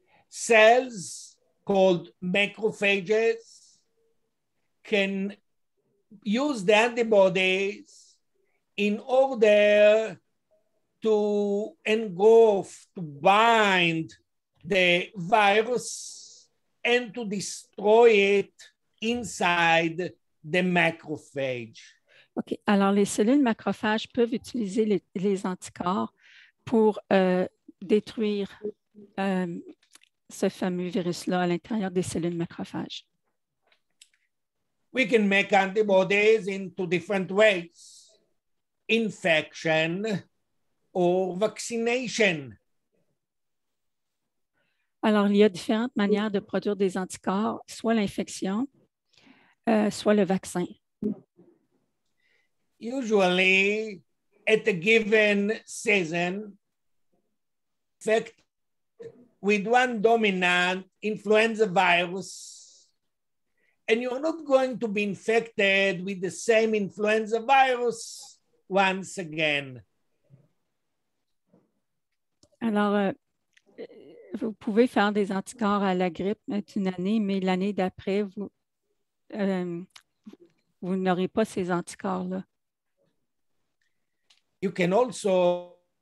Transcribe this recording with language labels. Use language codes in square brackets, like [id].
[en] Cells called macrophages can use the antibodies in order to engulf, to bind the virus and to destroy it inside the macrophage. OK. [fr] Alors, les cellules macrophages peuvent utiliser les anticorps pour détruire ce fameux virus-là à l'intérieur des cellules macrophages. [en] We can make antibodies in two different ways, infection or vaccination. [fr] Alors, il y a différentes manières de produire des anticorps, soit l'infection, soit le vaccin. [en] Usually, at a given season, with one dominant influenza virus, and you're not going to be infected with the same influenza virus once again. [fr] Alors, vous pouvez faire des anticorps à la grippe une année, mais l'année d'après, vous n'aurez pas ces anticorps-là. [en] You can also